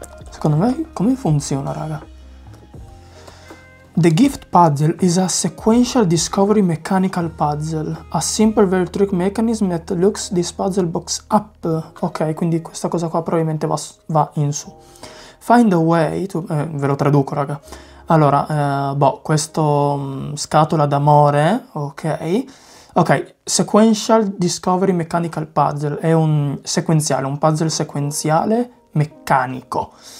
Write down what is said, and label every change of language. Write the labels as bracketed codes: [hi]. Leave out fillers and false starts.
[it] Secondo me, come funziona, raga? [en] The Gift Puzzle is a sequential discovery mechanical puzzle. A simple very trick mechanism that looks this puzzle box up. [it] Ok, quindi questa cosa qua probabilmente va in su. [en] Find a way to... [it] ve lo traduco, raga. Allora, questo scatola d'amore, ok. [en] Ok, sequential discovery mechanical puzzle. [it] È un sequenziale, un puzzle sequenziale meccanico.